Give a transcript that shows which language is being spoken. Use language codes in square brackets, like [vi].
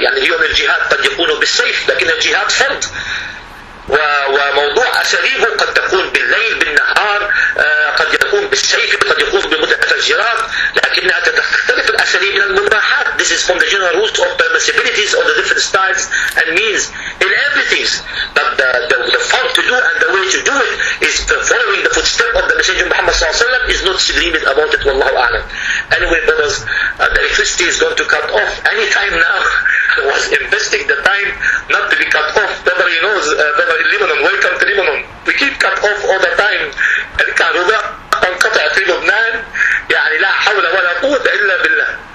[ar] يعني اليوم الجهاد قد يكون بالسيف، لكن الجهاد فرض. وموضوع أساليبه قد تكون بالليل بالنهار، قد يكون بالسيف، قد يكون بالمتفجرات، لكنها تختلف الأساليب من المباحات. [en] This is from the general rules of permissibilities of the different styles and means in everything. But the fun to do and the way to do it is following the footsteps of the Messenger Muhammad صلى الله عليه وسلم is not disagreement about it, والله أعلم. Anyway, brothers, the electricity is going to cut off any time now. I was investing the time not to be cut off. Nobody knows. In Lebanon, welcome to Lebanon. We keep cut off all the time. [ar] الكهرباء انقطع في لبنان يعني لا حول ولا قوة إلا بالله.